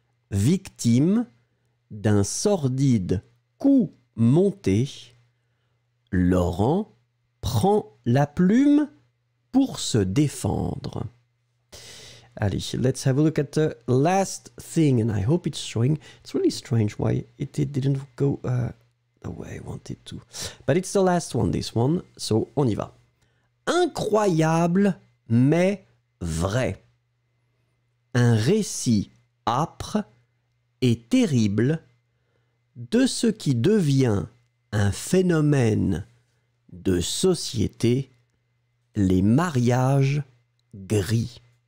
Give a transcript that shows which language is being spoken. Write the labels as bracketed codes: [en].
[fr] Victime d'un sordide coup monté, Laurent prend la plume pour se défendre. [en] Allez, let's have a look at the last thing, and I hope it's showing. It's really strange why it didn't go the way I wanted to. But it's the last one, this one, so [fr] on y va. Incroyable, mais vrai. Un récit âpre et terrible de ce qui devient un phénomène de société, les mariages gris.